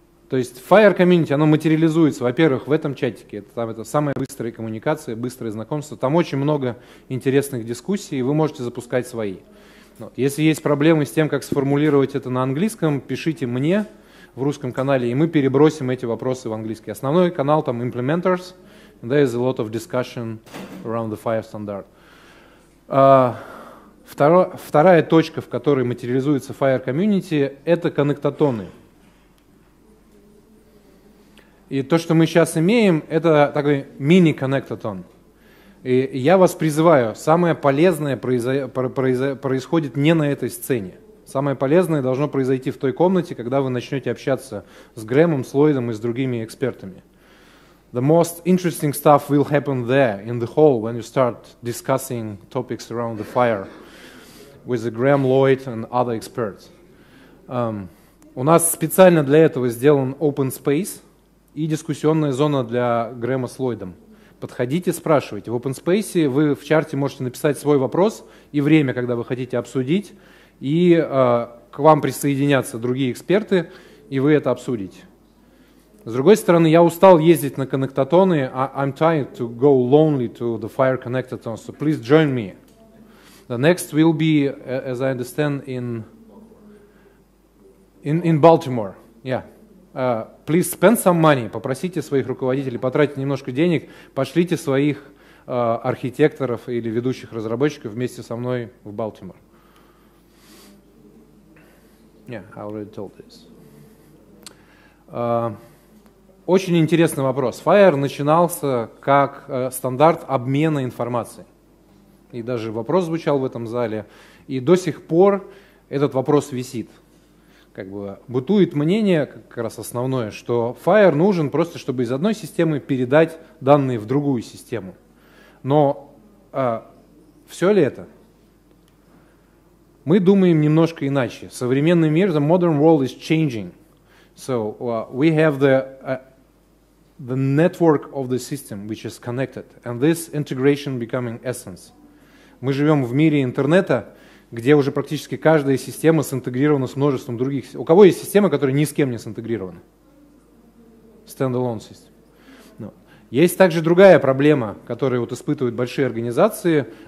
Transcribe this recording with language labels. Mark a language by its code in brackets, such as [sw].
[ru] То есть Fire Community, оно материализуется, во-первых, в этом чатике. Это самая быстрая коммуникация, быстрое знакомство. Там очень много интересных дискуссий, и вы можете запускать свои. Вот. Если есть проблемы с тем, как сформулировать это на английском, пишите мне в русском канале, и мы перебросим эти вопросы в английский. Основной канал там Implementers. [en] There is a lot of discussion around the Fire standard. [ru] Вторая точка, в которой материализуется Fire Community, это коннектатоны. И то, что мы сейчас имеем, это такой мини-коннектатон. И я вас призываю, самое полезное происходит не на этой сцене. Самое полезное должно произойти в той комнате, когда вы начнете общаться с Грэмом, с Ллойдом и с другими экспертами. [en] The most interesting stuff will happen there in the hall when you start discussing topics around the fire with the Graham Lloyd and other experts. [ru] У нас специально для этого сделан open space и дискуссионная зона для Грэма с Ллойдом. Подходите, спрашивайте. В open space вы в чарте можете написать свой вопрос и время, когда вы хотите обсудить, и к вам присоединятся другие эксперты, и вы это обсудите. С другой стороны, я устал ездить на коннектатоны. [en] I'm tired to go lonely to the fire connectatons, so please join me. The next will be, as I understand, in Baltimore. Yeah. Please spend some money. [ru] Попросите своих руководителей, потратить немножко денег, пошлите своих архитекторов или ведущих разработчиков вместе со мной в Балтимор. [en] Yeah, I already told this. [ru] Очень интересный вопрос. Fire начинался как стандарт обмена информацией. И даже вопрос звучал в этом зале. И до сих пор этот вопрос висит. Как бы бытует мнение, как раз основное, что Fire нужен просто, чтобы из одной системы передать данные в другую систему. Но все ли это? Мы думаем немножко иначе. Современный мир, [en] the modern world is changing. So we have the network of the system, which is connected, and this integration becoming essence. [ru] Мы живем в мире интернета, где уже практически каждая система синтегрирована с множеством других. У кого есть система, которая ни с кем не синтегрирована? [en] Standalone system. No. [ru] Есть также другая проблема, которую вот испытывают большие организации.